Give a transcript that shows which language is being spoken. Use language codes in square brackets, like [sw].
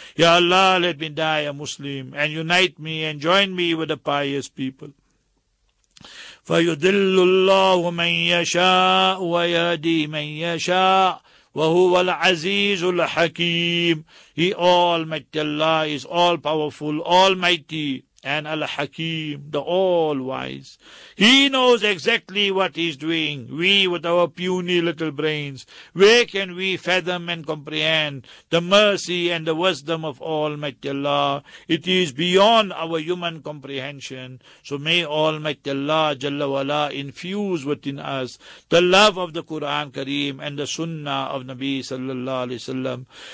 [en] Ya Allah, let me die a Muslim and unite me and join me with the pious people. [ar] فَيُدِلُّ اللَّهُ مَنْ يَشَاءُ وَيَهْدِي مَنْ يَشَاءُ وَهُوَ الْعَزِيزُ الْحَكِيمُ [en] He Almighty Allah is all-powerful, almighty. And Al-Hakim, the All-Wise. He knows exactly what He's doing. We, with our puny little brains, where can we fathom and comprehend the mercy and the wisdom of Almighty Allah? It is beyond our human comprehension. So may Almighty Allah, Jalla Wala, infuse within us the love of the Quran Kareem and the Sunnah of Nabi Sallallahu Alaihi Wasallam.